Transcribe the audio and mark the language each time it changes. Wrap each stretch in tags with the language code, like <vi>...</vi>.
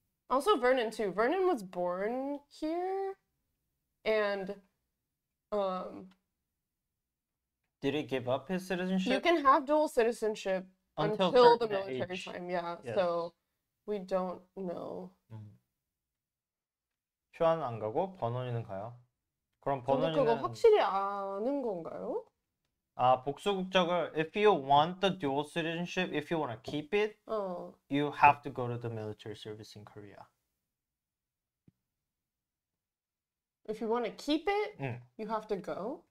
<en>Also Vernon too. Vernon was born here and did he give up his citizenship? You can have dual citizenship until the military age. Time, yeah. Yes. So we don't know. Mm-hmm.</en> <ko>슈아는 안 가고 버논이는 가요. 그럼 버논이는 그거 확실히 아는 건가요? 아, 복수국적을</ko> <en>if you want the dual citizenship, if you want to keep it, you have to go to the military service in Korea. If you want to keep it, you have to go?</en>